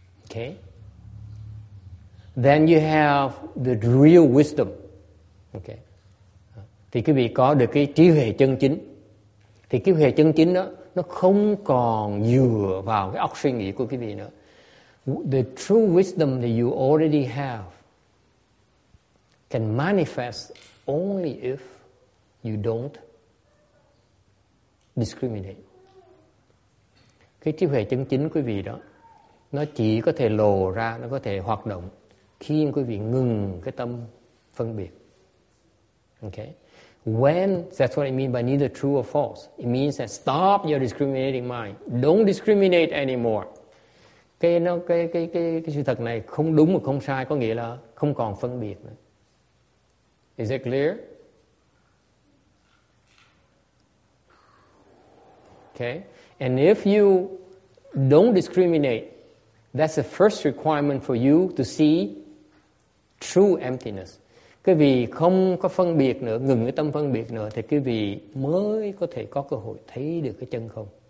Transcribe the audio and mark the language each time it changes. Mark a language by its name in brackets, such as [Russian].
[English] Okay. Then you have the real wisdom. Okay. [Vietnamese] Thì cái vị có được cái trí huệ chân chính. Thì cái huệ chân chính đó, nó không còn dựa vào cái óc suy nghĩ của cái vị nữa. [English] The true wisdom that you already have can manifest only if you don't discriminate. [Vietnamese] Cái trí huệ chân chính quý vị đó, nó chỉ có thể lộ ra, nó có thể hoạt động khi quý vị ngừng cái tâm phân biệt. Okay. [English] When, that's what I mean by neither true or false. It means that stop your discriminating mind. Don't discriminate anymore. [Vietnamese] Cái sự thật này không đúng và không sai có nghĩa là không còn phân biệt nữa. [English] Is it clear? Okay. And if you don't discriminate, that's the first requirement for you to see true emptiness. [Vietnamese] Cái vì không có phân biệt nữa, ngừng cái tâm phân biệt nữa, thì cái vì mới có thể có cơ hội thấy được cái chân không.